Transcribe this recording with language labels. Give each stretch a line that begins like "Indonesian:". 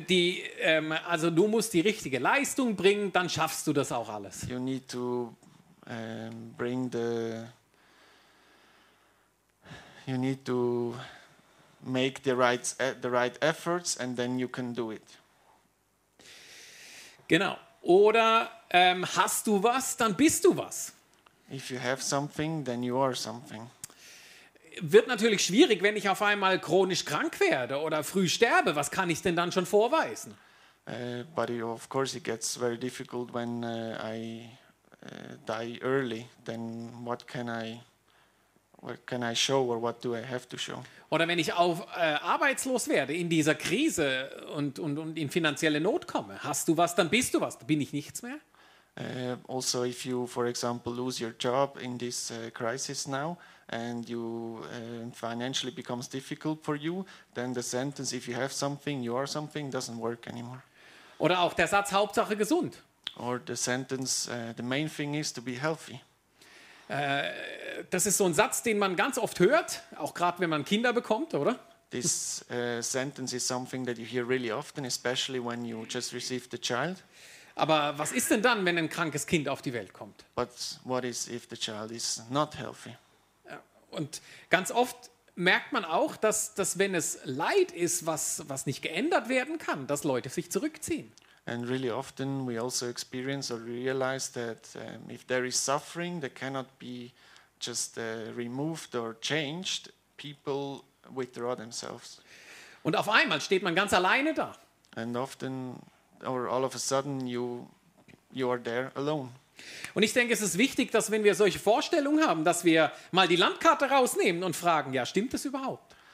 German: Die, also du musst die richtige Leistung bringen, dann schaffst du das auch alles.
English: You need to bring the You need to make the right efforts and then you can do it.
German: Genau. Oder hast du was, dann bist du was.
English: If you have something, then you are something.
German: Wird natürlich schwierig, wenn ich auf einmal chronisch krank werde oder früh sterbe. Was kann ich denn dann schon vorweisen?
English: But of course it gets very difficult when I die early. Then what can I show or what do I have to show?
German: Oder wenn ich auf arbeitslos werde in dieser Krise und in finanzielle Not komme, hast du was, dann bist du was, bin ich nichts mehr?
English: Also if you for example lose your job in this crisis now and you financially becomes difficult for you, then the sentence if you have something you are something doesn't work anymore.
German: Oder auch der Satz Hauptsache gesund.
English: Or the sentence the main thing is to be healthy.
German: Das ist so ein Satz, den man ganz oft hört, auch gerade wenn man Kinder bekommt, oder?
English: This sentence is something that you hear really often, especially when you just received a child.
German: Aber was ist denn dann, wenn ein krankes Kind auf die Welt kommt?
English: But what is if the child is not healthy?
German: Und ganz oft merkt man auch, dass wenn es Leid ist, was nicht geändert werden kann, dass Leute sich zurückziehen.
English: And really often we also experience or realize that if there is suffering that cannot be just removed or changed, people withdraw themselves.
German: Und auf einmal steht man ganz alleine da.
English: And often or all of a sudden you are there alone.
German: Und ich denke, es ist wichtig, dass wenn wir solche Vorstellungen haben, dass wir mal die Landkarte rausnehmen und fragen, ja, stimmt das überhaupt?